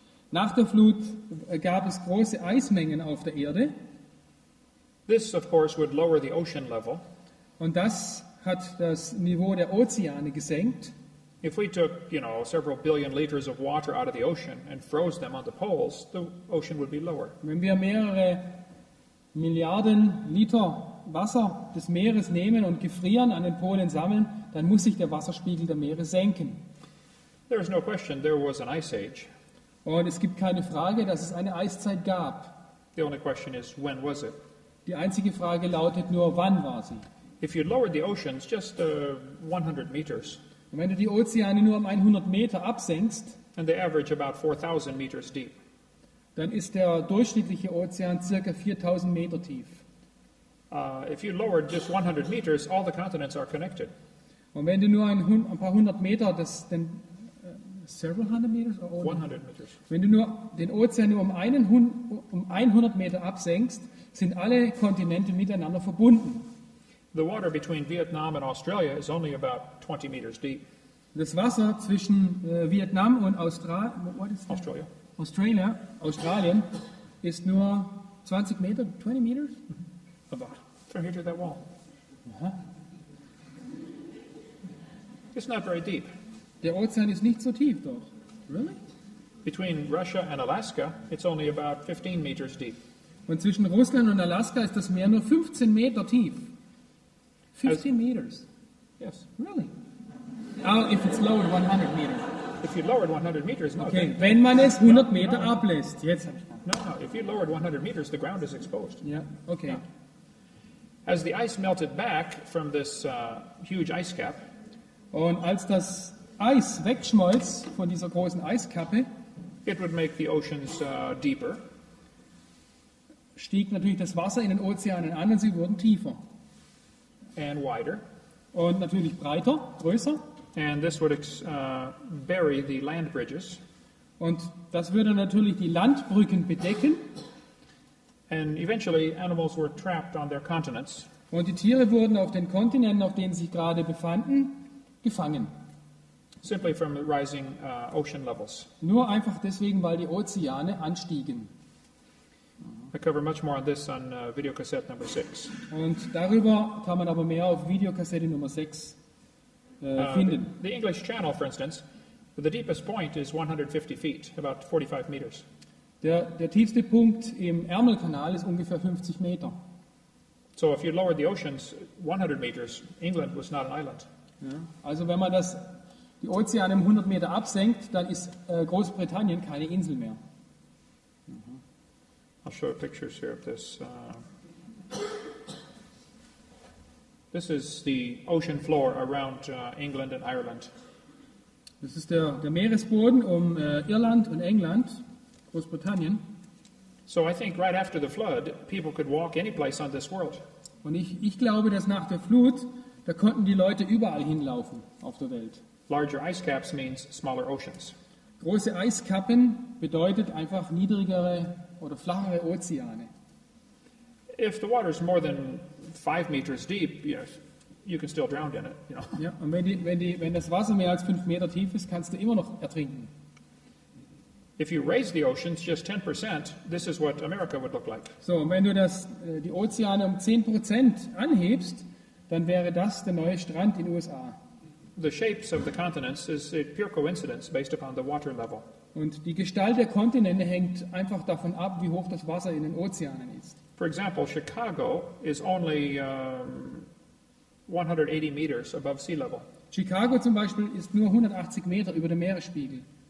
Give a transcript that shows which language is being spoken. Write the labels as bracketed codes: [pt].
[de] Nach der Flut gab es große Eismengen auf der Erde. [en] This, of course, would lower the ocean level. [de] Und das hat das Niveau der Ozeane gesenkt. [en] If we took, you know, several billion liters of water out of the ocean and froze them on the poles, the ocean would be lower. [de] Wenn wir mehrere Milliarden Liter Wasser des Meeres nehmen und gefrieren an den Polen sammeln, dann muss sich der Wasserspiegel der Meere senken. [en] There is no question there was an ice age. [de] Und es gibt keine Frage, dass es eine Eiszeit gab. [en] The only question is, when was it? [de] Die einzige Frage lautet nur, wann war sie? [en] If you lowered the oceans just 100 meters. [de] Und wenn du die Ozeane nur um 100 Meter absenkst, [en] and they average about 4,000 meters deep, [de] dann ist der durchschnittliche Ozean ca. 4,000 Meter tief. [en] If you lowered just 100 meters, all the continents are connected. [de] Und wenn du nur ein paar hundert Meter, das dann [en] several hundred meters or 100 meters. [de] Wenn du nur den Ozean nur um 100 Meter absenkst, sind alle Kontinente miteinander verbunden. [en] The water between Vietnam and Australia is only about 20 meters deep. [de] Das Wasser zwischen Vietnam und Australia. Australia, Australien ist nur 20 Meter, [en] 20 meters? About. From here to that wall. It's not very deep. [de] Der Ozean ist nicht so tief, doch. [en] Really? Between Russia and Alaska, it's only about 15 meters deep. [de] Und zwischen Russland und Alaska ist das Meer nur 15 Meter tief. [en] 15 meters. Yes. Really? Oh, if it's lowered 100 meters. If you lowered 100 meters, no. [de] Okay, wenn man es 100 Meter ablässt. Jetzt. [en] No. If you lowered 100 meters, the ground is exposed. Yeah. Okay. No. As the ice melted back from this huge ice cap. [de] Und als das Eis wegschmolz von dieser großen Eiskappe, [en] it would make the oceans deeper. [de] Stieg natürlich das Wasser in den Ozeanen an und sie wurden tiefer. [en] And wider. [de] Und natürlich breiter, größer. [en] And this would bury the land bridges. [de] Und das würde natürlich die Landbrücken bedecken. [en] And eventually animals were trapped on their continents. [de] Und die Tiere wurden auf den Kontinenten, auf denen sie gerade befanden, gefangen. [en] Simply from the rising ocean levels. [de] Nur einfach deswegen, weil die Ozeane anstiegen. [en] I cover much more on this on video cassette number 6. [de] Und darüber kann man aber mehr auf Videokassette Nummer 6 finden. [en] The English Channel, for instance, the deepest point is 150 feet, about 45 meters. [de] Der tiefste Punkt im Ärmelkanal ist ungefähr 50 Meter. [en] So if you lowered the oceans 100 meters, England was not an island. [de] Ja. Also wenn man die Ozeane um 100 Meter absenkt, dann ist Großbritannien keine Insel mehr. [en] I'll show pictures here of this. This is the ocean floor around England and Ireland. [de] Das ist der Meeresboden um Irland und England, Großbritannien. [en] So I think right after the flood, people could walk any place on this world. [de] Und ich glaube, dass nach der Flut, da konnten die Leute überall hinlaufen auf der Welt. [en] Larger ice caps means smaller oceans. [de] Große Eiskappen bedeutet einfach niedrigere oder flachere Ozeane. [en] If the water is more than 5 meters deep, yes, you can still drown in it, you know. [de] Ja, und wenn das Wasser mehr als 5 Meter tief ist, kannst du immer noch ertrinken. [en] If you raise the oceans just 10%, this is what America would look like. [de] So, wenn du das die Ozeane 10% anhebst, dann wäre das der neue Strand in USA. [en] The shapes of the continents is a pure coincidence based upon the water level. [de] Und die Gestalt der Kontinente hängt einfach davon ab, wie hoch das Wasser in den Ozeanen ist. [en] For example, Chicago is only 180 meters above sea level. [de] Chicago zum Beispiel ist nur 180 Meter über dem Meeresspiegel.